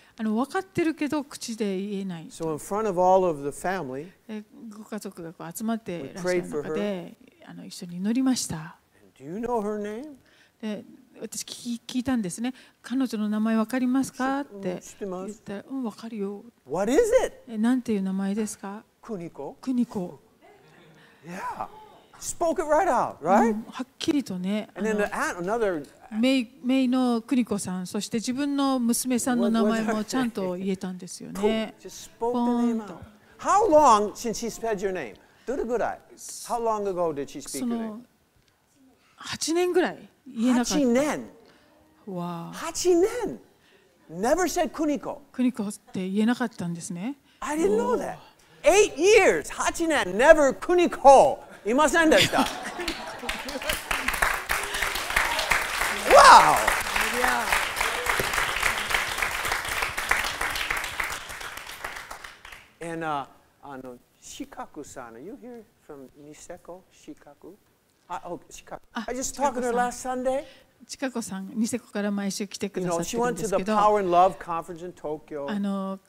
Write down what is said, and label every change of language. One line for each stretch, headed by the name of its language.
Japanese: 分かってるけど口で言えない。
English: So in front of all of the family,
Japanese: ご家族がこう集まっていらっしゃる中で一緒に祈りました。
English: Do you know her name?
Japanese: で、私聞いたんですね。彼女の名前分かりますかって言ったら、うん、分かるよ。
English: What is it?
Japanese: なんていう名前ですか？
English: クニコ。Yeah. Spoke it right out, right?
Japanese: はっきりとね。
English: And then the aunt, another...
Japanese: メイのクニコさん、そして自分の娘さんの名前もちゃんと言えたんですよね。
English: Just spoke the name out. How long since she said your name?
Japanese: どれぐらい
English: How long ago did she speak your name?
Japanese: 8年ぐらい言えなかった。 8年。わ
English: あ。8年。Never said Kuniko。
Japanese: Kuniko って言えなかったんですね。
English: I didn't know that. 8 years, 8年、never Kuniko。
Japanese: いませんでした。
English: wow! And, Shikaku san, are you here from Niseko, Shikaku? I just talked to her last Sunday.
Japanese: ちかこさん、ニセコから毎週来てくださってるんですけど。
English: You know, she went to the Power and Love Conference in Tokyo.